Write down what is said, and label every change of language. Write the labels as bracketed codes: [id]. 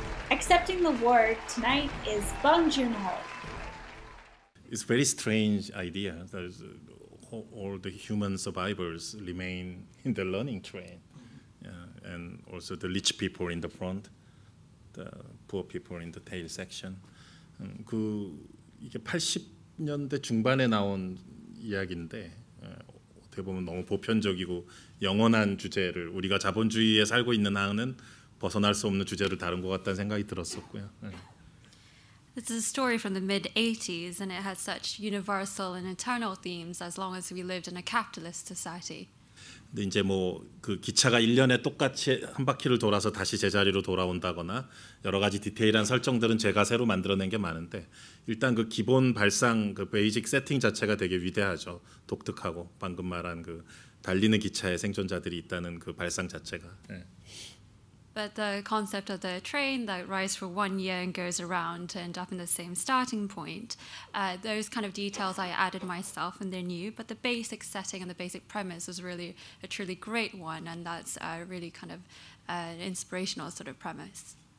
[en] Accepting the award tonight is Bong Joon-ho. It's a very strange idea that all the human survivors remain in the learning train. Yeah, and also the rich people in the front, the poor people in the tail section. [ko] 그 이게 80년대 중반에 나온 이야기인데 어떻게 보면 너무 보편적이고 영원한 주제를 우리가 자본주의에 살고 있는 한은 벗어날 수 없는 주제를 다룬 것 같다는 생각이 들었었고요. [en] It's a story from the mid-80s, and it has such universal and eternal themes as long as we lived in a capitalist society. [ko] 근데 이제 뭐 그 기차가 1년에 똑같이 한 바퀴를 돌아서 다시 제자리로 돌아온다거나 여러 가지 디테일한 설정들은 제가 새로 만들어낸 게 많은데 일단 그 기본 발상, 그 베이직 세팅 자체가 되게 위대하죠. 독특하고 방금 말한 그 달리는 기차의 생존자들이 있다는 그 발상 자체가. 네. [en] But the concept of the train that rides for 1 year and goes around to end up in the same starting point, those kind of details I added myself and they're new, but the basic setting and the basic premise was really a truly great one, and that's a really kind of an inspirational sort of premise.